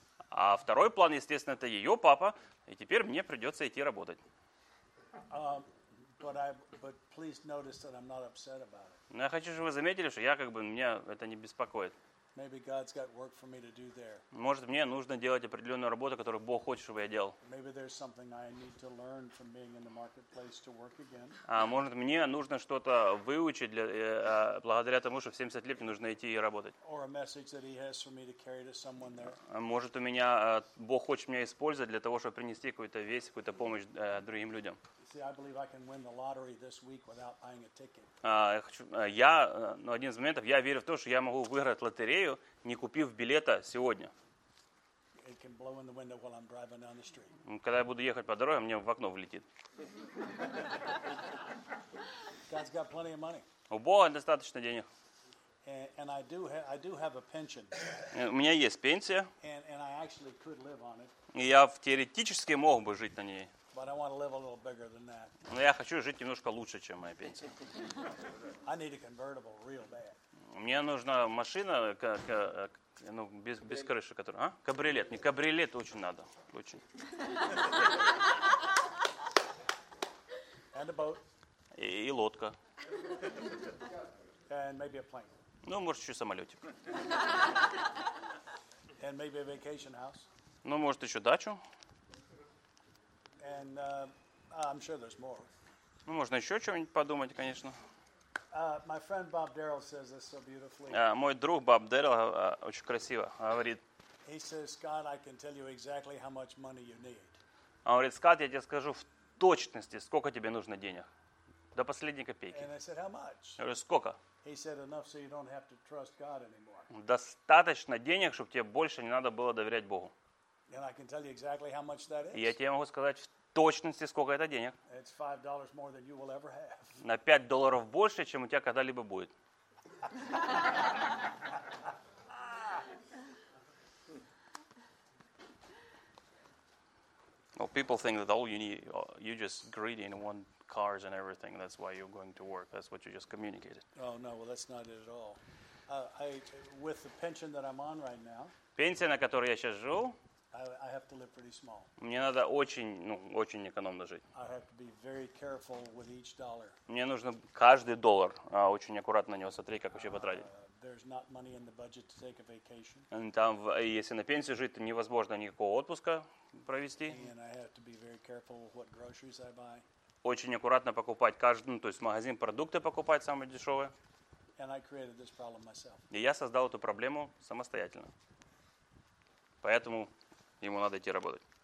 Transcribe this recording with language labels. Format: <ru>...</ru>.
<ru>А второй план, естественно, это ее папа, и теперь мне придется идти работать.</ru> <en>But please notice that I'm not upset about it.</en> <ru>Но я хочу, чтобы вы заметили, что я как бы меня это не беспокоит.</ru> <en>Maybe God's got work for me to do there.</en> <ru>Может, мне нужно делать определенную работу, которую Бог хочет, чтобы я делал.</ru> <en>Maybe there's something I need to learn from being in the marketplace to work again.</en> <ru>А может, мне нужно что-то выучить для благодаря тому, что в 70 лет мне нужно идти и работать.</ru> <en>Or a message that He has for me to carry to someone there.</en> <ru>Может, у меня Бог хочет меня использовать для того, чтобы принести какую-то весть, какую-то помощь другим людям.</ru> <en>See, I believe I can win the lottery this week without buying a ticket.</en> <ru>Один из моментов, я верю в то, что я могу выиграть лотерею, не купив билета сегодня.</ru> <en>It can blow in the window while I'm driving down the street.</en> <ru>Когда я буду ехать по дороге, мне в окно влетит.</ru> <en>God's got plenty of money.</en> <ru>У Бога достаточно денег.</ru> <en>And I do have a pension.</en> <ru>У меня есть пенсия.</ru> <en>And I actually could live on it.</en> <ru>И я теоретически мог бы жить на ней.</ru> <en>But I want to live a little bigger than that.</en> <ru>Но я хочу жить немножко лучше, чем моя пенсия.</ru> <en>I need a convertible real bad.</en> <ru>Мне нужна машина, без крыши, которая. А? Кабриолет. Не кабриолет, очень надо. Очень.</ru> <en>And a boat.</en> <ru>И лодка.</ru> <en>And maybe a plane.</en> <ru>Ну, может, еще самолетик.</ru> <en>And maybe a vacation house.</en> <ru>Ну, может, еще дачу.</ru> <en>And I'm sure there's more.</en> <ru>Ну, можно еще что-нибудь подумать, конечно.</ru> <en>My friend Bob Darrell says this so beautifully.</en> <ru>Мой друг Боб Дэррелл очень красиво говорит.</ru> <en>He says, Scott, I can tell you exactly how much money you need.</en> <ru>Он говорит, Скотт, я тебе скажу в точности, сколько тебе нужно денег. До последней копейки.</ru> <en>And I said, how much?</en> <ru>Я говорю, сколько?</ru> <en>He said, enough so you don't have to trust God anymore.</en> <ru>Достаточно денег, чтобы тебе больше не надо было доверять Богу.</ru> <en>And I can tell you exactly how much that is.</en> <ru>Я тебе могу сказать в точности, сколько это денег.</ru> <en>It's $5 more than you will ever have.</en> <ru>На $5 больше, чем у тебя когда-либо будет.</ru> <en>Well, people think that all you need, you're just greedy and want cars and everything. That's why you're going to work. That's what you just communicated. Oh no, well that's not it at all. With the pension that I'm on right now.</en> <ru>Пенсия, на которой я сейчас живу.</ru> <en>I have to live pretty small.</en> <ru>Мне надо очень, ну, очень экономно жить.</ru> <en>I have to be very careful with each dollar.</en> <ru>Мне нужно каждый доллар очень аккуратно на него смотреть, как вообще потратить.</ru> <en>There's not money in the budget to take a vacation.</en> <ru>Если на пенсию жить, то невозможно никакого отпуска провести.</ru> <en>And I have to be very careful with what groceries I buy.</en> <ru>очень аккуратно покупать каждый, ну, то есть в магазин продукты покупать самые дешевые.</ru> <en>And I created this problem myself.</en> <ru>И я создал эту проблему самостоятельно. Поэтому ему надо идти работать.</ru>